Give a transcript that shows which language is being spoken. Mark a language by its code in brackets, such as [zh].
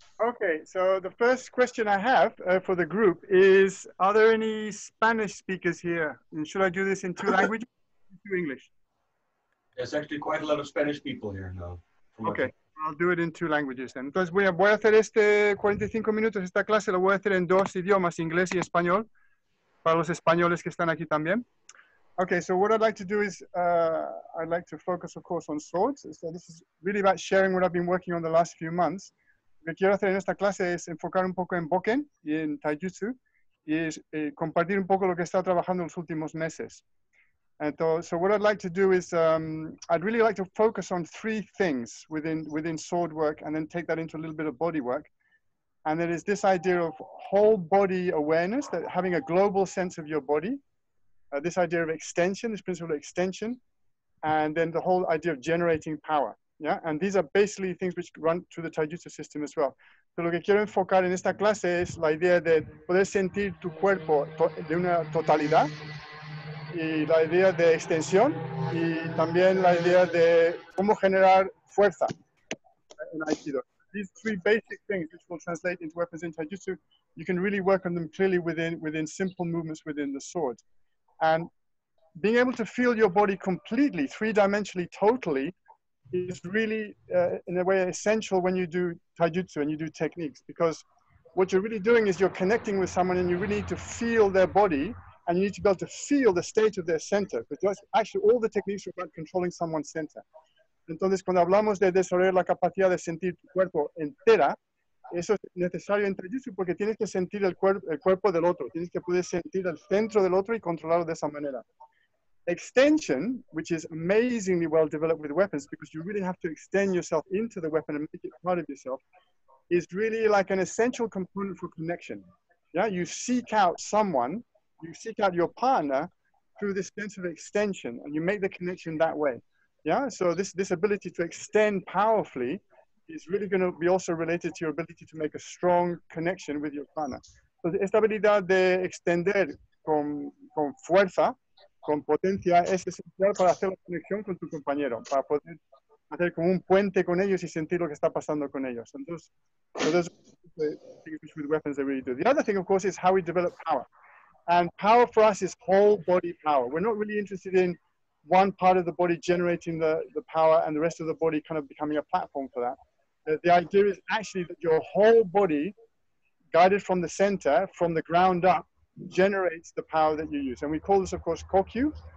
[en] Okay, so the first question I have for the group is, are there any Spanish speakers here? And should I do this in two languages or two English? There's actually quite a lot of Spanish people here now. Okay. I'll do it in two languages then. [es] Entonces voy a hacer este 45 minutos, esta clase la voy a hacer en dos idiomas, inglés y español, para los españoles que están aquí también. [en] Okay, so what I'd like to do is, I'd like to focus, of course, on swords. So this is really about sharing what I've been working on the last few months. [es] Lo que quiero hacer en esta clase es enfocar un poco en Boken y en Taijutsu, y es compartir un poco lo que he estado trabajando los últimos meses. [en] So what I'd like to do is, I'd really like to focus on three things within sword work and then take that into a little bit of body work. And that is this idea of whole body awareness, that having a global sense of your body, this idea of extension, this principle of extension, and then the whole idea of generating power. Yeah, and these are basically things which run through the Taijutsu system as well. [es] So lo que quiero enfocar en esta clase es la idea de poder sentir tu cuerpo de una totalidad, y la idea de extensión y también la idea de cómo generar fuerza en Aikido. [en] These three basic things which will translate into weapons in Taijutsu, you can really work on them clearly within simple movements within the sword. And being able to feel your body completely, three-dimensionally, totally, is really in a way essential when you do Taijutsu and you do techniques, because what you're really doing is you're connecting with someone and you really need to feel their body. And you need to be able to feel the state of their center, because actually all the techniques are about controlling someone's center. [es] Entonces, cuando hablamos de desarrollar la capacidad de sentir tu cuerpo entera, eso es necesario en Taijutsu porque tienes que sentir el cuerpo del otro. Tienes que poder sentir el centro del otro y controlarlo de esa manera. [en] Extension, which is amazingly well developed with weapons, because you really have to extend yourself into the weapon and make it part of yourself, is really like an essential component for connection. Yeah, you seek out someone. You seek out your partner through this sense of extension, and you make the connection that way. Yeah. So this ability to extend powerfully is really going to be also related to your ability to make a strong connection with your partner. [es] So esta habilidad de extender con fuerza, con potencia, es esencial para hacer la conexión con tu compañero, para poder hacer como un puente con ellos y sentir lo que está pasando con ellos. [en] Entonces, so those are the things with weapons that we really do. The other thing, of course, is how we develop power. And power for us is whole body power. We're not really interested in one part of the body generating the power and the rest of the body kind of becoming a platform for that. The idea is actually that your whole body, guided from the center, from the ground up, generates the power that you use. And we call this, of course, Kokyu.